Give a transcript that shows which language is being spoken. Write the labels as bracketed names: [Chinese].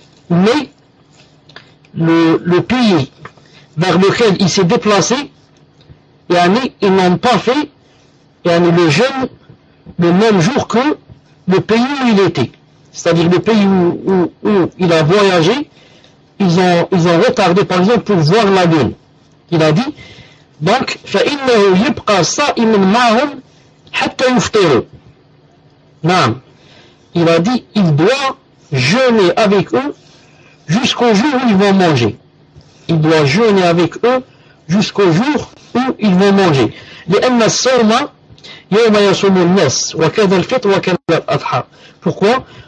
[French] mais le pays vers lequel il s'est déplacé, ils n'ont pas fait le jeûne le même jour que le pays où il était, c'est-à-dire le pays où il a voyagé. Ils ont retardé, par exemple, pour voir la lune. [Arabic] Il a dit, donc, فَإِنَّهُ يُبْقَى صَائِمًا مَعْهُمْ حَتَّى يُفْطِرُ. [French] Non. Il a dit, il doit jeûner avec eux jusqu'au jour où ils vont manger. Il doit jeûner avec eux jusqu'au jour où ils vont manger. [Arabic] لِأَنَّ الصَّوْمَ يَوْمَ يَصُومُ النَّاسِ وَكَذَا الْفِطْرُ وَكَذَا الْأَضْحَى. Pourquoi?